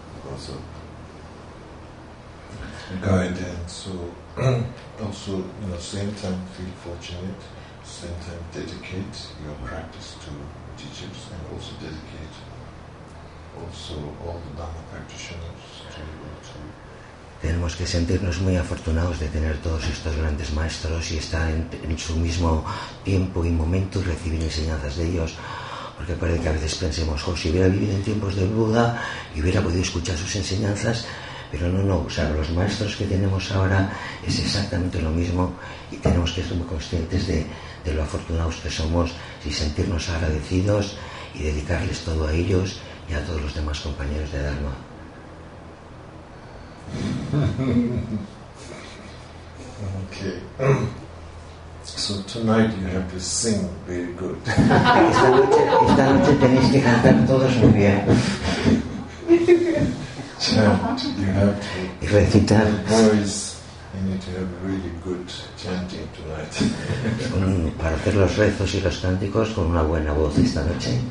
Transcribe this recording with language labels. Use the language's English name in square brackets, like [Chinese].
[English] also guide, and so also you know, same time feel fortunate, same time dedicate your practice to teachers, and also dedicate also all the Dhamma practitioners to. [Spanish] Tenemos que sentirnos muy afortunados de tener todos estos grandes maestros y estar en su mismo tiempo y momento y recibir enseñanzas de ellos, porque parece que a veces pensemos, oh, si hubiera vivido en tiempos del Buda y hubiera podido escuchar sus enseñanzas, pero no, o sea, los maestros que tenemos ahora es exactamente lo mismo, y tenemos que ser muy conscientes de lo afortunados que somos y sentirnos agradecidos y dedicarles todo a ellos y a todos los demás compañeros de Dharma. [English] Okay, so tonight you have to sing very good. [Spanish] Esta noche tenéis que cantar todos muy bien. [English] Chant, you have to. [Spanish] Y recitar. [English] Voice, you need to have really good chanting tonight. [Spanish] Para hacer los rezos y los cánticos con una buena voz esta noche.